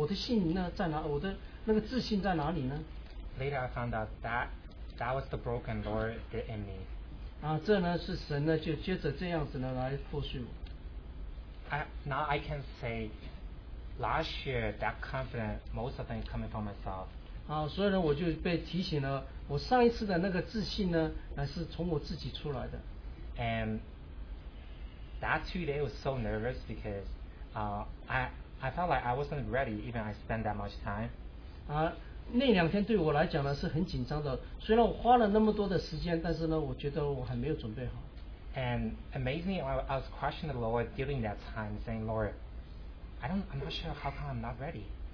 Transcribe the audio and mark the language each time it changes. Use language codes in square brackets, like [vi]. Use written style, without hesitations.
[zh] 然后这次呢，好像呢，我有所有的题目，我有所有的结构，也所有的内容，但是呢，我的信呢在哪？我的那个自信在哪里呢？ [en] Later, I found out that was the broken Lord did in me. [zh] 啊，这呢是神呢，就接着这样子呢来复述。 [en] Now I can say, last year that confidence, most of them coming from myself. [zh] 啊，所以呢，我就被提醒了，我上一次的那个自信呢，是从我自己出来的。 [en] And that 2 days was so nervous because I felt like I wasn't ready even I spent that much time. [zh] 那两天对我来讲呢是很紧张的，虽然我花了那么多的时间，但是呢，我觉得我还没有准备好。 [en] And amazingly, I was questioning the Lord during that time, saying, "Lord, I'm not sure how come I'm not ready."